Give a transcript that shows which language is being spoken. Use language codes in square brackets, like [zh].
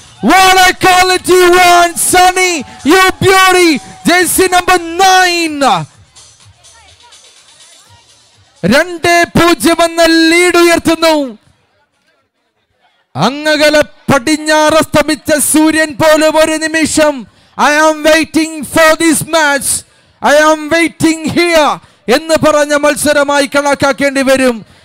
[en] What a quality one, Sunny, you beauty, jersey number 9. [ml] 2-0 എന്ന lead ഉയർത്തുന്നു. അങ്ങകലെ പടിഞ്ഞാറ് അസ്തമിച്ച സൂര്യൻ പോലെ ഒരു നിമിഷം. [en] I am waiting for this match. I am waiting here [ml] എന്ന് പറഞ്ഞ മത്സരമായി കണക്കാക്കേണ്ടി വരും.